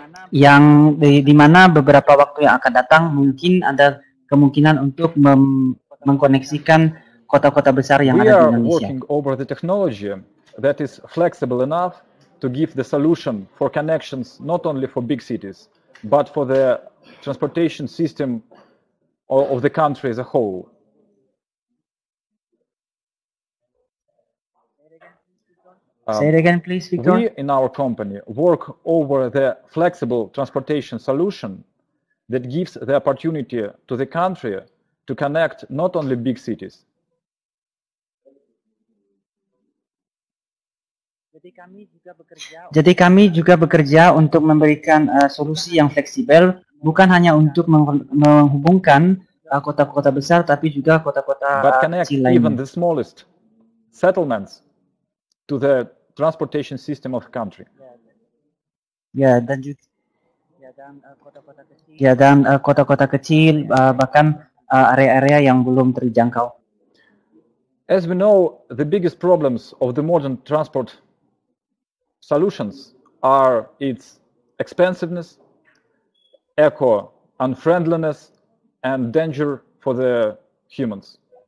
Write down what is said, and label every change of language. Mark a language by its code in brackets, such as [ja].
[id] Yang di mana beberapa waktu yang akan datang mungkin ada kemungkinan untuk mengkoneksikan kota-kota besar yang [en] We [id] ada di Indonesia. [en] We are working over the technology that is flexible enough to give the solution for connections not only for big cities, but for the transportation system of the country as a whole. Say it again, please, Victor. We in our company work over the flexible transportation solution that gives the opportunity to the country to connect not only big cities. [id] Jadi kami juga bekerja untuk memberikan solusi yang fleksibel, bukan hanya untuk menghubungkan kota-kota besar, tapi juga kota-kota kecil lainnya. [en] Even the smallest settlements to the transportation system of country. [id] Dan kota-kota kecil, bahkan area-area yang belum terjangkau. [en] As we know, the biggest problems of the modern transport solutions are its expensiveness, eco unfriendliness, and danger for the humans.